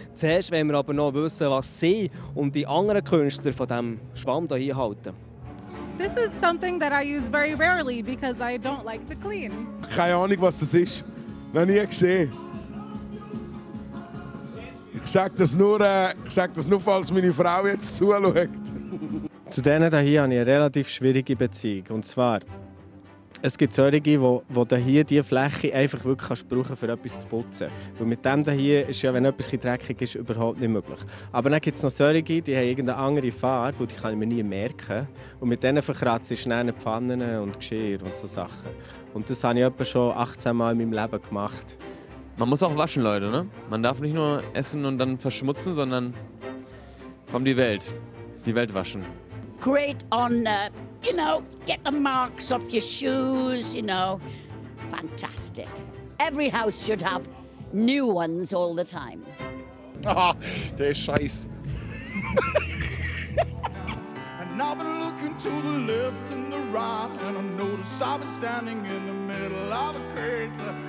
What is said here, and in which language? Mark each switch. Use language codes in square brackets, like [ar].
[de] Zuerst wollen wir aber noch wissen, was sie und die anderen Künstler von diesem Schwamm hier halten. [en] This is something that I use very rarely because I don't like to clean. [de] Keine Ahnung, was das ist. Noch nie gesehen. Ich sag das nur, falls meine Frau jetzt zuschaut. Zu denen hier habe ich eine relativ schwierige Beziehung. Und zwar, es gibt solche, die hier diese Fläche einfach wirklich brauchen, für etwas zu putzen. Weil mit dem hier ist ja, wenn etwas dreckig ist, überhaupt nicht möglich. Aber dann gibt es noch solche, die haben irgendeine andere Farbe, die kann ich mir nie merken. Und mit denen verkratze ich schnell Pfannen und Geschirr und so Sachen. Und das habe ich etwa schon 18 Mal in meinem Leben gemacht. Man muss auch waschen, Leute, ne? Man darf nicht nur essen und dann verschmutzen, sondern komm die Welt. Die Welt waschen. [en] Great on, you know, get the marks off your shoes, you know. Fantastic. Every house should have new ones all the time. [de] Ah, der ist scheiß. [en] And I've been looking to the left and the right, and I notice I've been standing in the middle of a crater.